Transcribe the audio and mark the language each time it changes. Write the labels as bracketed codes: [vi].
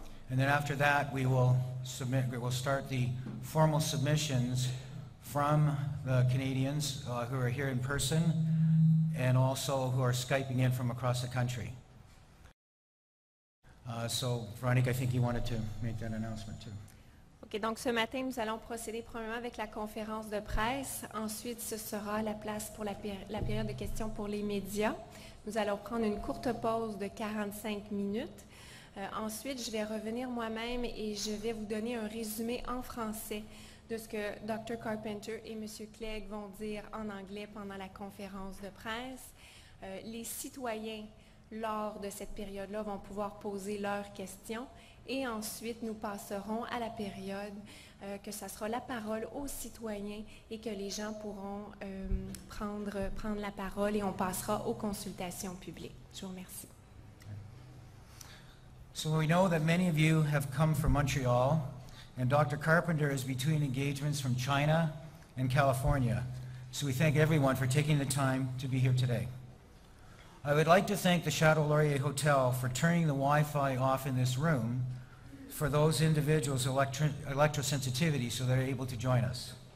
[en] And then after that, we'll start the formal submissions from the Canadians who are here in person and also who are Skyping in from across the country. So, Veronica, I think you wanted to make that announcement too. [fr] Okay, donc ce matin, nous allons procéder premièrement avec la conférence de presse. Ensuite, ce sera la place pour la période de questions pour les médias. Nous allons prendre une courte pause de 45 minutes. Ensuite, je vais revenir moi-même et je vais vous donner un résumé en français de ce que Dr. Carpenter et M. Clegg vont dire en anglais pendant la conférence de presse. Les citoyens, lors de cette période-là, vont pouvoir poser leurs questions. Et ensuite, nous passerons à la période que ça sera la parole aux citoyens et que les gens pourront prendre la parole et on passera aux consultations publiques. Je vous remercie. [en] So we know that many of you have come from Montreal, and Dr. Carpenter is between engagements from China and California. So we thank everyone for taking the time to be here today. I would like to thank the Chateau Laurier Hotel for turning the Wi-Fi off in this room for those individuals' electrosensitivity so they're able to join us.